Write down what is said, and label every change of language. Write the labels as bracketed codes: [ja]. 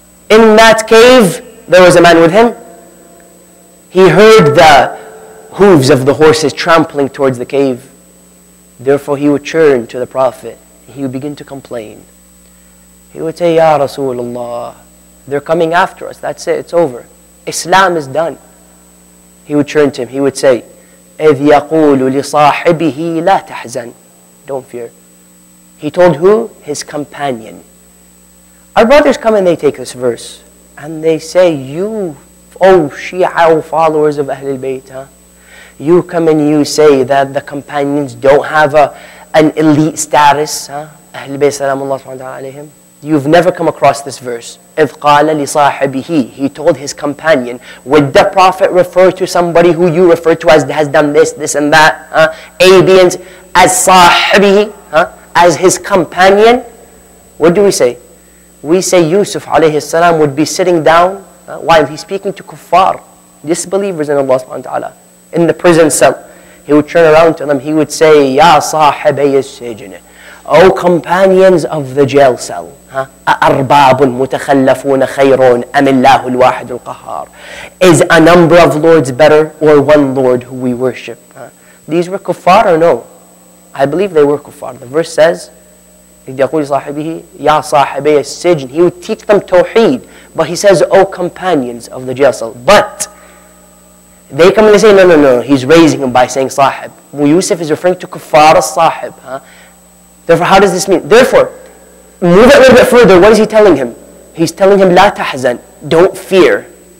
[en] In that cave, there was a man with him. He heard the hooves of the horses trampling towards the cave. Therefore, he would turn to the Prophet. He would begin to complain. He would say, Ya Rasulullah, they're coming after us. That's it. It's over. Islam is done. He would turn to him. He would say, [ar] إِذْ يَقُولُ لِصَاحِبِهِ لَا تَحْزَنْ. [en] Don't fear. He told who? His companion. Our brothers come and they take this verse. And they say, you, oh Shia, oh followers of Ahlul Bayt, you come and you say that the companions don't have an elite status. Ahl bayt salam Allah subhanahu wa ta'ala alayhim. You've never come across this verse. [ar] إِذْ قَالَ لِصَاحِبِهِ. [en] He told his companion, would the Prophet refer to somebody who you refer to as has done this, this and that? Abians, as صَاحِبِهِ, as his companion. What do we say? We say Yusuf alayhi salam would be sitting down while he's speaking to kuffar, disbelievers in Allah subhanahu wa ta'ala. In the prison cell, he would turn around to them, he would say, [ar] Ya sahibay as-sijn, [en] O companions of the jail cell, [ar] أَأَرْبَابٌ مُتَخَلَّفُونَ خَيْرٌ أَمِ اللَّهُ الْوَاحِدُ الْقَهَارُ. [en] Is a number of lords better or one lord who we worship? These were kuffar or no? I believe they were kuffar. The verse says, [ar] إِذْ يَقُولِ صَاحِبِهِ يَا صَاحِبَي السِّجْنِ. [en] He would teach them tawheed, but he says, O companions of the jail cell. But They come and they say, no, no, no. He's raising him by saying sahib. Well, Yusuf is referring to kufar al-sahib. Huh? Therefore, how does this mean? Therefore, move it a little bit further. What is he telling him? He's telling him, la tahzan, don't fear.